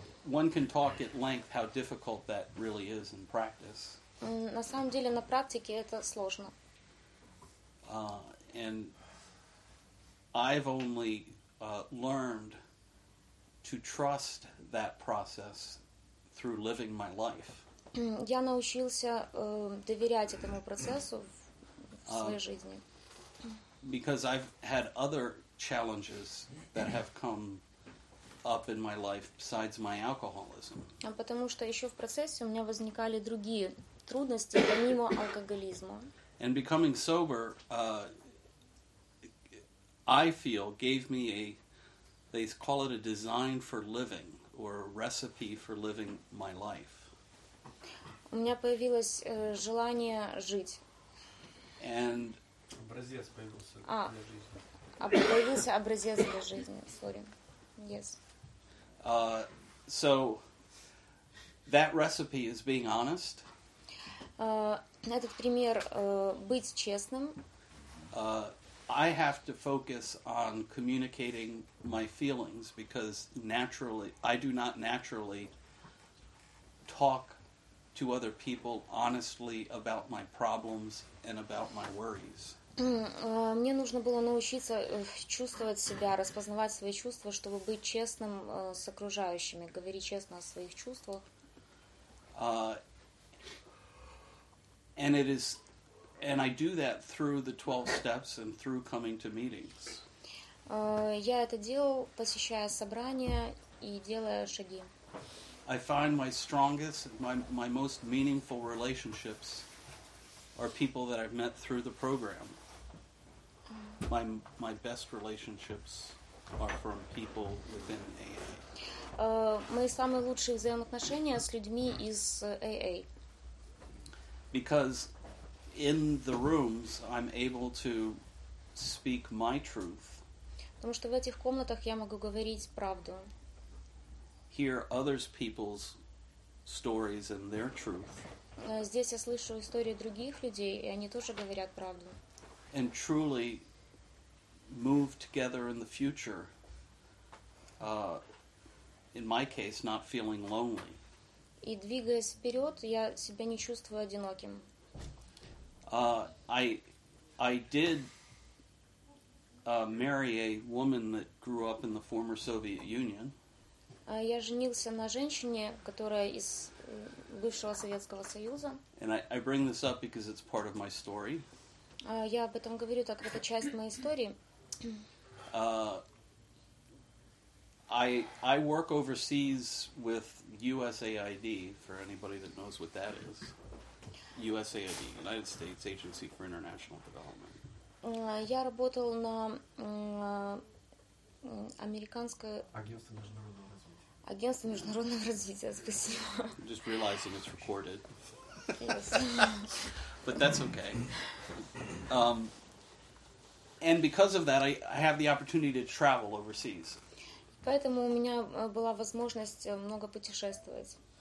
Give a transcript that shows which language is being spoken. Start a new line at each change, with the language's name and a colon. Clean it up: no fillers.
English: One can talk at length how difficult that really is in practice.
Russian: На самом деле, на практике это сложно.
English: And I've only learned to trust that process through living my life.
Russian: Я научился доверять этому процессу в своей жизни.
English: Because I've had other challenges that have come up in my life besides my alcoholism.
Russian: А потому что еще в процессе у меня возникали другие трудности помимо алкоголизма.
English: And becoming sober, I feel, gave me they call it a design for living or a recipe for living my life.
Russian: У меня появилось желание жить.
English: And
Russian: образец появился для жизни. Появился образец для жизни.
English: Sorry. Yes. So that recipe is being honest.
Russian: Этот пример быть честным.
English: I have to focus on communicating my feelings because I do not naturally talk to other people honestly about my problems and about my worries.
Russian: Мне нужно было научиться чувствовать себя, распознавать свои чувства, чтобы быть честным с окружающими, говорить честно о своих чувствах.
English: And I do that through the 12 steps and through coming to meetings.
Russian: Я это делал, посещая собрания и делая шаги.
English: I find my strongest, my most meaningful relationships are people that I've met through the program. My best relationships are from people within AA.
Russian: Мои самые лучшие взаимоотношения с людьми из AA.
English: Because in the rooms I'm able to speak my truth.
Russian: Потому что в этих комнатах я могу говорить правду.
English: Hear others people's stories and their truth.
Russian: Здесь я слышу истории других людей, и они тоже говорят правду.
English: And truly move together in the future, in my case, not feeling lonely.
Russian: И двигаясь вперед, я себя не чувствую одиноким.
English: I did marry a woman that grew up in the former Soviet Union.
Russian: Я женился на женщине, которая из бывшего Советского Союза.
English: And I bring this up because it's part of my story.
Russian: Я об этом говорю, так как это часть моей истории.
English: I work overseas with USAID, for anybody that knows what that is. USAID, United States Agency for International Development.
Russian: Я работал на американское... Агентство международного развития. Агентство международного развития, спасибо.
English: I'm just realizing it's recorded. But that's okay. And because of that, I have the opportunity to travel overseas.
Russian: Поэтому у меня была возможность много путешествовать.